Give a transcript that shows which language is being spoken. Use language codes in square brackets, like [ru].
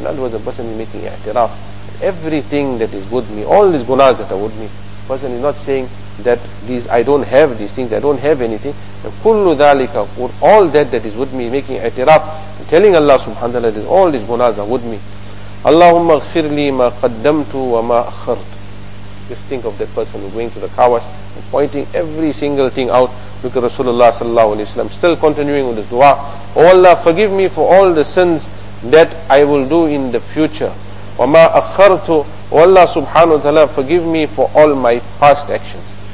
[en] In other words, the person is making i'tiraf. Everything that is with me, all these gunas that are with me, person is not saying that these I don't have these things, I don't have anything. [ar] كُلُّ ذَٰلِكَ [en] All that is with me, making i'tiraf, telling Allah subhanahu wa ta'ala that all these gunas are with me. [ar] اللهم اغفر لي ما قدمت وما أخرت. [en] Just think of that person going to the kawash and pointing every single thing out. Look at Rasulullah sallallahu alayhi wa sallam, still continuing with his dua. Oh Allah, forgive me for all the sins that I will do in the future. [ar] وَمَا أَخَّرْتُ [en] Oh Allah subhanahu wa ta'ala, forgive me for all my past actions.